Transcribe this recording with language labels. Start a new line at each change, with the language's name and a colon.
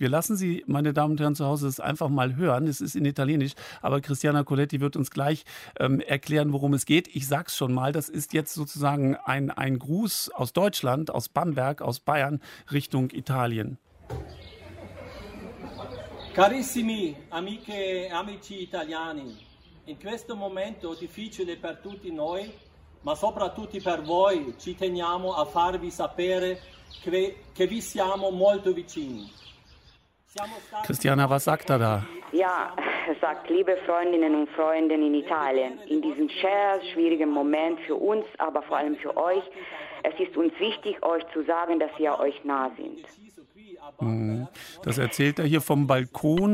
German: Wir lassen Sie, meine Damen und Herren zu Hause, es einfach mal hören. Es ist in Italienisch, aber Christiana Coletti wird uns gleich erklären, worum es geht. Ich sag's schon mal, das ist jetzt sozusagen ein Gruß aus Deutschland, aus Bamberg, aus Bayern Richtung Italien.
Italian: Carissimi amiche amici italiani, in questo momento difficile per tutti noi, ma soprattutto per voi, ci teniamo a farvi sapere che vi siamo molto vicini.
German: Christiana, was sagt er da? Ja, er sagt, liebe Freundinnen und Freunde in Italien, in diesem sehr schwierigen Moment für uns, aber vor allem für euch, es ist uns wichtig, euch zu sagen, dass wir euch nah sind. Das erzählt er hier vom Balkon.